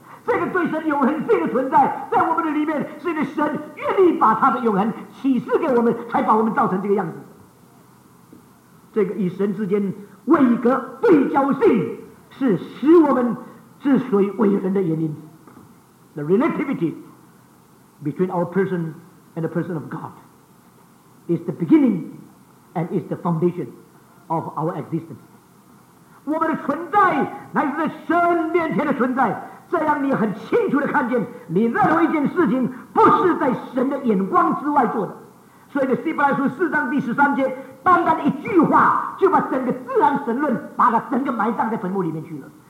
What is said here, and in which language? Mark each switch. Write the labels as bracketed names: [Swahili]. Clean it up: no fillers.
[Chinese] 这个对神永恒性的存在在我们的里面是因为神愿意把他的永恒启示给我们，才把我们造成这个样子。这个与神之间位格对焦性是使我们之所以为人的原因。 [English] The relativity between our person and the person of God is the beginning and is the foundation of our existence。 [Chinese] 我们的存在乃是在神面前的存在，这样你很清楚地看见你任何一件事情不是在神的眼光之外做的。所以在希伯来书四章第十三节，单单一句话就把整个自然神论把它整个埋葬在坟墓里面去了。